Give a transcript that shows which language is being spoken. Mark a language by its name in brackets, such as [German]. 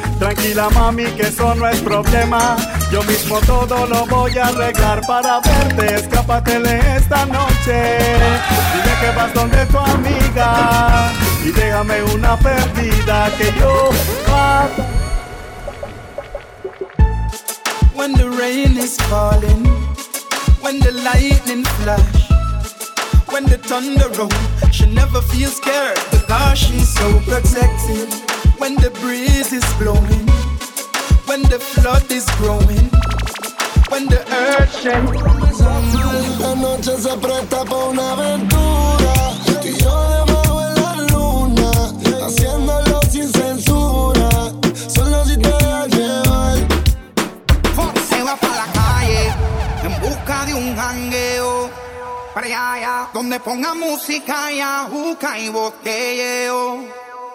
[Spanish] Tranquila mami, que eso no es problema. Yo mismo todo lo voy a arreglar para verte. Escápatele esta noche. Dile que vas donde tu amiga y déjame una perdida que yo [English] When the rain is falling, when the lightning flash, when the thunder roll, she never feels scared because she's so protected. When the breeze is blowing, when the flood is growing, when the earth shakes. [Spanish] Esta noche se presta pa' una aventura. Tú y yo debajo de la luna, haciéndolo sin censura. Solo si te dejas llevar. Fox se va pa' la calle en busca de un jangueo. Pre-ya-ya, donde ponga música y ajuca y botelleo.